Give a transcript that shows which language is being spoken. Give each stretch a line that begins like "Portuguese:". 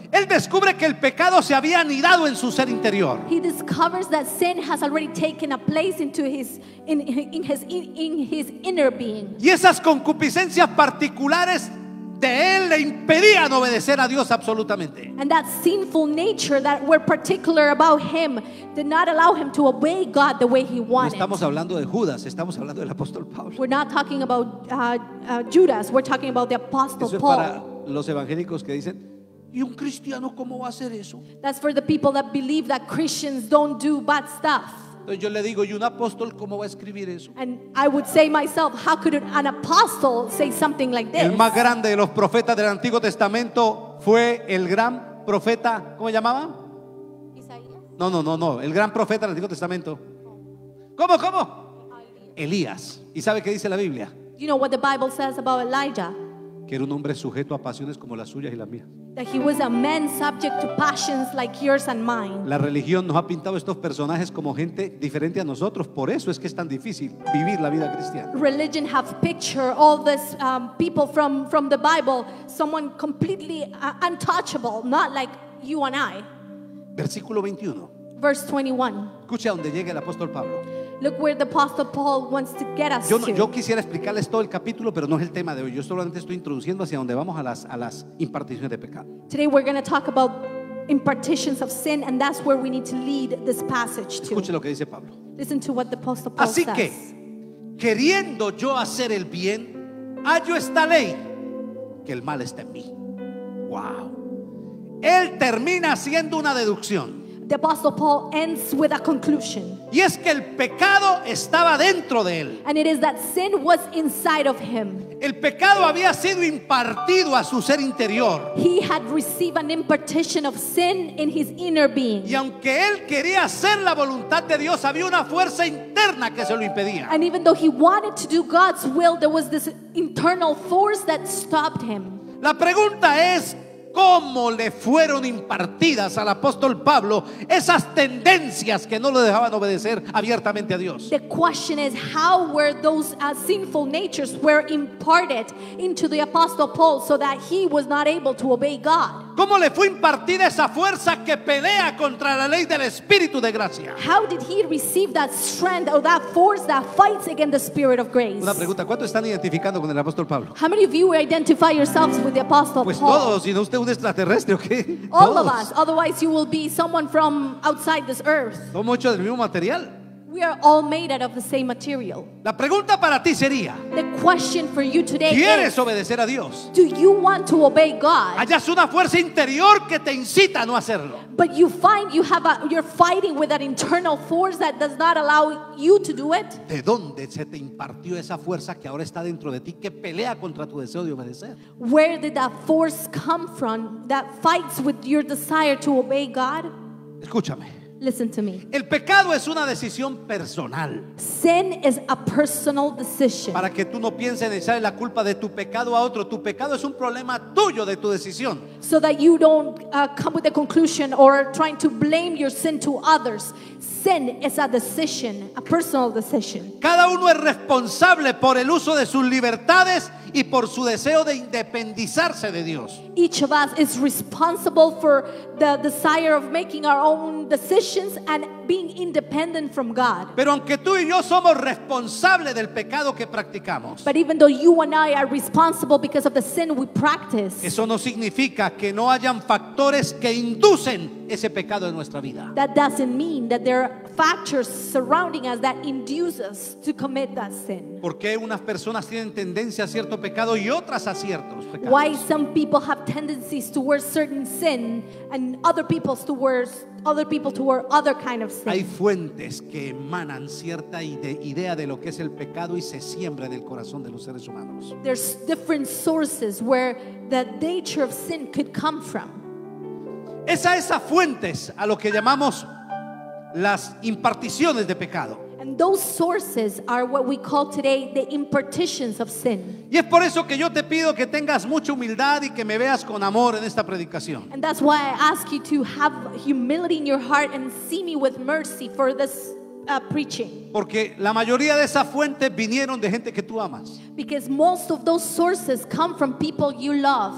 Spanish: Él descubre que el pecado se había anidado en su ser interior.
English: He discovers that sin has already taken a place into his inner being.
Spanish: Y esas concupiscencias particulares de él le impedían obedecer a Dios absolutamente.
English: And that sinful nature that were particular about him did not allow him to obey God the way he wanted.
Spanish: No estamos hablando de Judas, estamos hablando del apóstol Pablo.
English: We're not talking about Judas, we're talking about the apostle
Spanish: Eso es para los evangélicos que dicen, ¿y un cristiano cómo va a hacer eso?
English: That's for the people that believe that Christians don't do bad stuff.
Spanish: Entonces yo le digo, ¿y un apóstol cómo va a escribir eso?
English: And I would say myself, how could an apostle say something like this?
Spanish: El más grande de los profetas del Antiguo Testamento fue el gran profeta, ¿cómo se llamaba? Isaías. No, el gran profeta del Antiguo Testamento. ¿Cómo? Elías. ¿Y sabe qué dice la Biblia?
English: You know what the Bible says about Elijah?
Spanish: Que era un hombre sujeto a pasiones como las suyas y las mías.
English: That he was a man subject to passions like yours and mine.
Spanish: La religión nos ha pintado estos personajes como gente diferente a nosotros. Por eso es que es tan difícil vivir la vida cristiana.
English: Religion have pictured all these people from the Bible, someone completely untouchable, not like you and I.
Spanish: Versículo 21.
English: Verse 21.
Spanish: Escucha donde llega el apóstol Pablo.
English: Look where the apostle Paul wants to get us.
Spanish: Yo quisiera explicarles todo el capítulo, pero no es el tema de hoy. Yo solamente estoy introduciendo hacia donde vamos a las imparticiones de pecado.
English: Today we're going to talk about impartitions of sin, and that's where we need to lead this passage to.
Spanish: Escuche lo que dice Pablo.
English: Listen to what the apostle Paul says.
Spanish: Así que, queriendo yo hacer el bien, hallo esta ley que el mal está en mí. Wow. Él termina haciendo una deducción.
English: The apostle Paul ends with a conclusion.
Spanish: Y es que el pecado estaba dentro de él.
English: And it is that sin was inside of him.
Spanish: El pecado había sido impartido a su ser interior.
English: He had received an impartition of sin in his inner being.
Spanish: Y aunque él quería hacer la voluntad de Dios, había una fuerza interna que se lo impedía.
English: And even though he wanted to do God's will, there was this internal force that stopped him.
Spanish: La pregunta es, ¿cómo le fueron impartidas al apóstol Pablo esas tendencias que no le dejaban obedecer abiertamente a Dios?
English: The question is, how were those sinful natures were imparted into the apostle Paul so that he was not able to obey God?
Spanish: ¿Cómo le fue impartida esa fuerza que pelea contra la ley del Espíritu de Gracia?
English: How did he receive that strength or that force that fights against the Spirit of Grace?
Spanish: Una pregunta, ¿cuántos están identificando con el apóstol Pablo?
English: How many of you identify yourselves with the apostle
Spanish: pues
English: Paul?
Spanish: Pues todos, si no usted es un extraterrestre, ¿o qué?
English: All
Spanish: todos.
English: Of us, otherwise you will be someone from outside this earth.
Spanish: Somos hechos del mismo material.
English: We are all made out of the same material.
Spanish: La pregunta para ti sería,
English: the question for you today
Spanish: ¿quieres
English: is,
Spanish: ¿quieres obedecer a Dios?
English: Do you want to obey God?
Spanish: Hayas una fuerza interior que te incita a no hacerlo.
English: But you find you're fighting with an internal force that does not allow you to do it.
Spanish: ¿De dónde se te impartió esa fuerza que ahora está dentro de ti que pelea contra tu deseo de obedecer?
English: Where did that force come from that fights with your desire to obey God?
Spanish: Escúchame.
English: Listen to me.
Spanish: El pecado es una decisión personal.
English: Sin is a personal decision.
Spanish: Para que tú no pienses en echarle la culpa de tu pecado a otro, tu pecado es un problema tuyo de tu decisión.
English: So that you don't come with the conclusion or trying to blame your sin to others. Sin is a decision, a personal decision.
Spanish: Cada uno es responsable por el uso de sus libertades y por su deseo de independizarse de Dios.
English: Each of us is responsible for the desire of making our own decisions and being independent from God.
Spanish: Pero aunque tú y yo somos responsables del pecado que practicamos,
English: but even though you and I are responsible because of the sin we practice,
Spanish: eso no significa que no hayan factores factores que inducen ese pecado en nuestra vida.
English: That doesn't mean that there are factors surrounding us that induce us to commit that sin.
Spanish: ¿Por qué unas personas tienen tendencia a cierto pecado y otras a ciertos pecados?
English: Why some people have tendencies towards certain sin and other people toward other kind of sin.
Spanish: Hay fuentes que emanan cierta idea de lo que es el pecado y se siembra en el corazón de los seres humanos.
English: There's different sources where the nature of sin could come from.
Spanish: Es a esas fuentes a lo que llamamos las imparticiones de pecado.
English: And those sources are what we call today the impartitions of sin.
Spanish: Y es por eso que yo te pido que tengas mucha humildad y que me veas con amor en esta predicación.
English: And that's why I ask you to have humility in your heart and see me with mercy for this preaching.
Spanish: Porque la mayoría de esas fuentes vinieron de gente que tú amas.
English: Because most of those sources come from people you love.